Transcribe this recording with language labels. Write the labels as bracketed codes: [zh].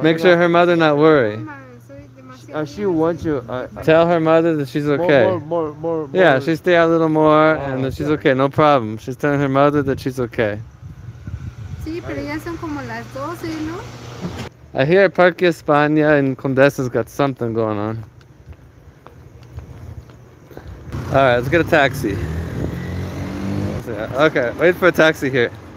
[en] make sure her mother not worry. She wants you. Tell her mother that she's okay. More. Yeah, she stay a little more and that she's okay. No problem. She's telling her mother that she's okay. [es] Sí, pero ya son como las 12, ¿no? [en] I hear Parque España and Condesa's got something going on. All right, let's get a taxi. Okay, wait for a taxi here.